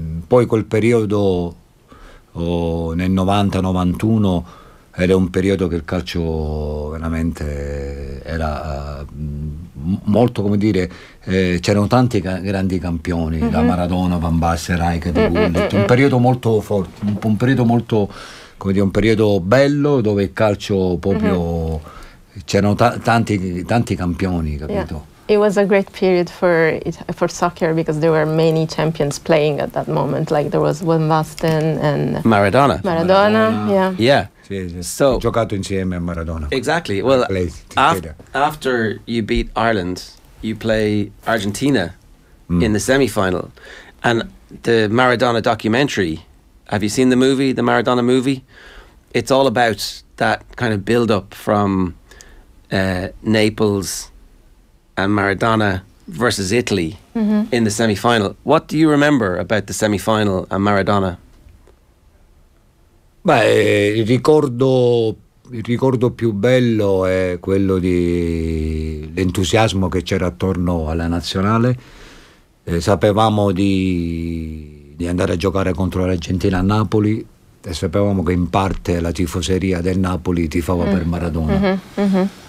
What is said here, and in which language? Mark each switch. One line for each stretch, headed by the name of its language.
Italian: poi quel periodo nel 90-91 era un periodo che il calcio veramente era molto, come dire, c'erano tanti grandi campioni, mm-hmm. da Maradona, Van Basten, Rijk, De Gullit, un periodo molto forte, un periodo molto, come dire, un periodo bello dove il calcio proprio, mm-hmm. c'erano tanti campioni, capito? Yeah.
English: It was a great period for soccer because there were many champions playing at that moment. Like there was Van Basten and Maradona. Yeah. So
Italian: giocato insieme a Maradona.
English: Exactly. Well, after you beat Ireland, you play Argentina in the semi-final, and the Maradona documentary. Have you seen the movie, the Maradona movie? It's all about that kind of build-up from Naples. And Maradona versus Italy, mm-hmm. in the semi-final. What do you remember about the semi-final and Maradona?
Italian: Beh, il ricordo più bello è quello di l'entusiasmo che c'era attorno alla nazionale. Sapevamo di andare a giocare contro l'Argentina a Napoli e sapevamo che in parte la tifoseria del Napoli tifava per Maradona. Mm-hmm. Mm-hmm.